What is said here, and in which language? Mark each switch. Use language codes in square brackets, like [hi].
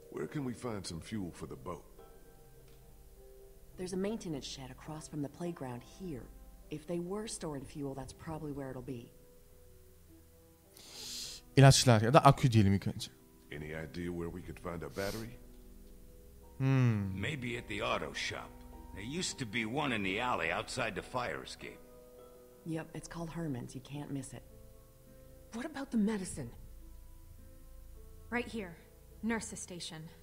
[en] Where can we find some fuel for the boat? There's a maintenance shed across from the playground here. If they were storing fuel, that's probably where it'll be. [tr] İlaçlar ya da akü diyelim ilk önce. [en] Any idea where we could find a battery? Maybe at the auto shop. There used to be one in the alley outside the fire escape. Yep, it's called Herman's. You can't miss it. What about the medicine? Right here. Nurse's station.